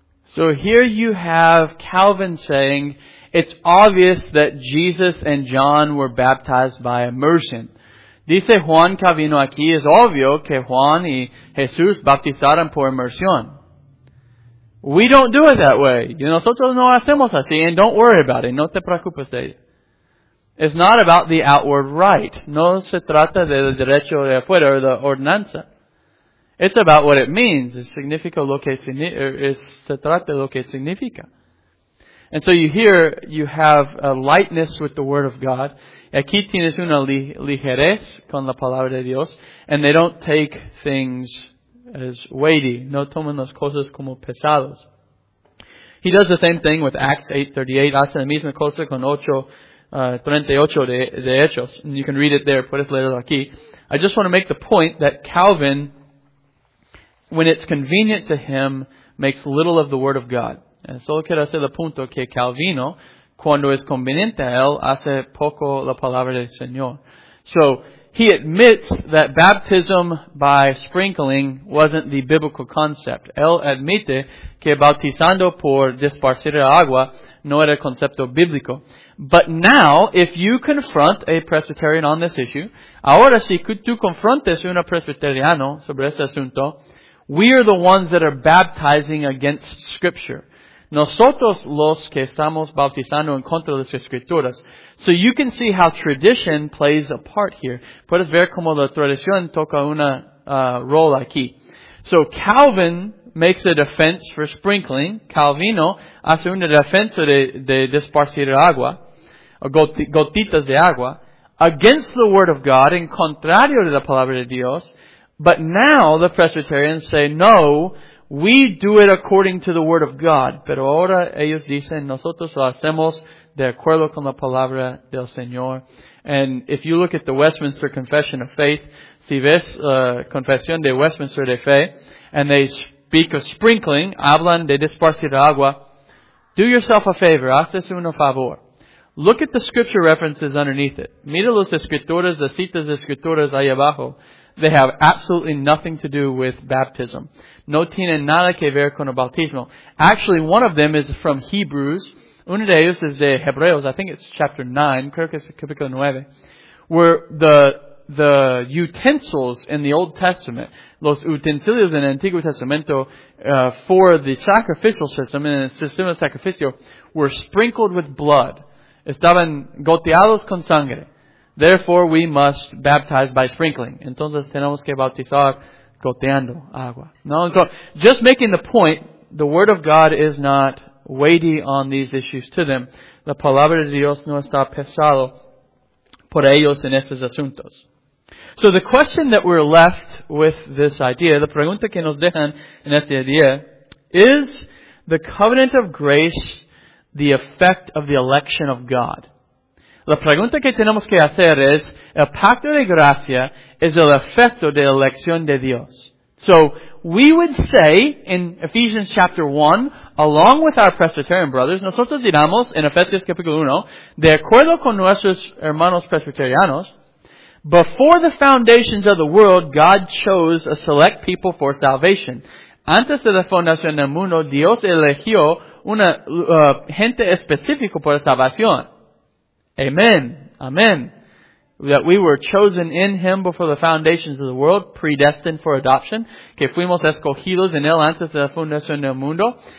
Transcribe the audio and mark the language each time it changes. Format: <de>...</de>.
<en>So here you have Calvin saying, it's obvious that Jesus and John were baptized by immersion.</en> <es>Dice Juan Calvino aquí, es obvio que Juan y Jesús bautizaron por inmersión.</es> <en>We don't do it that way.</en> <es>Nosotros no hacemos así,</es> <en>and don't worry about it.</en> <es>No te preocupes de ello.</es> <en>It's not about the outward rite.</en> <es>No se trata del derecho de afuera,</es> <en>or the ordenanza. It's about what it means.</en> <es>Se trata de lo que significa.</es> <en>And so you hear, you have a lightness with the Word of God.</en> <es>Aquí tienes una ligerez con la Palabra de Dios.</es> <en>And they don't take things as weighty.</en> <es>No toman las cosas como pesados.</es> <en>He does the same thing with Acts 8:38.</en> <es>Hace la misma cosa con 8:38 de Hechos.</es> <en>And you can read it there.</en> <es>Puedes leerlo aquí.</es> <en>I just want to make the point that Calvin, when it's convenient to him, makes little of the Word of God.</en> <es>Solo quiero hacer el punto que Calvino, cuando es conveniente a él, hace poco la palabra del Señor.</es> <en>So, he admits that baptism by sprinkling wasn't the biblical concept.</en> <es>Él admite que bautizando por disparcir agua no era el concepto bíblico.</es> <en>But now, if you confront a Presbyterian on this issue,</en> <es>ahora si tú confrontes a un Presbyteriano sobre este asunto,</es> <en>we are the ones that are baptizing against Scripture.</en> <es>Nosotros los que estamos bautizando en contra de las Escrituras.</es> <en>So you can see how tradition plays a part here.</en> <es>Puedes ver cómo la tradición toca una rol aquí.</es> <en>So Calvin makes a defense for sprinkling.</en> <es>Calvino hace una defensa de disparcir agua, gotitas de agua,</es> <en>against the Word of God,</en> <es>en contrario de la Palabra de Dios,</es> <en>But now the Presbyterians say, no, we do it according to the Word of God.</en> <es>Pero ahora ellos dicen, nosotros lo hacemos de acuerdo con la palabra del Señor.</es> <en>And if you look at the Westminster Confession of Faith,</en> <es>si ves Confesión de Westminster de Fe,</es> <en>and they speak of sprinkling,</en> <es>hablan de esparcir agua,</es> <en>do yourself a favor,</en> <es>haces un favor.</es> <en>Look at the scripture references underneath it.</en> <es>Mira las escrituras, las citas de escrituras ahí abajo.</es> <en>They have absolutely nothing to do with baptism.</en> <es>No tienen nada que ver con el bautismo.</es> <en>Actually, one of them is from Hebrews.</en> <es>Uno de ellos es de Hebreos.</es> <en>I think it's chapter 9.</en> <es>Creo que es capítulo 9.</es> <en>Where the utensils in the Old Testament,</en> <es>los utensilios en el Antiguo Testamento,</es> <en>for the sacrificial system,</en> <es>en el sistema de sacrificio,</es> <en>were sprinkled with blood.</en> <es>Estaban goteados con sangre.</es> <en>Therefore, we must baptize by sprinkling.</en> <es>Entonces, tenemos que bautizar goteando agua.</es> <en>No, so, just making the point, the Word of God is not weighty on these issues to them.</en> <es>La palabra de Dios no está pesado por ellos en estos asuntos.</es> <en>So, the question that we're left with this idea,</en> <es>la pregunta que nos dejan en esta idea,</es> <en>is the covenant of grace the effect of the election of God?</en> <es>La pregunta que tenemos que hacer es, el pacto de gracia es el efecto de la elección de Dios.</es> <en>So, we would say in Ephesians chapter 1, along with our Presbyterian brothers,</en> <es>nosotros diramos en Efesios capítulo 1, de acuerdo con nuestros hermanos presbiterianos,</es> <en>before the foundations of the world, God chose a select people for salvation.</en> <es>Antes de la fundación del mundo, Dios eligió una gente específica para salvación. Amen. Amen.</es> <en>That we were chosen in Him before the foundations of the world, predestined for adoption.</en> <es>Que fuimos escogidos en Él antes de la fundación del mundo.</es>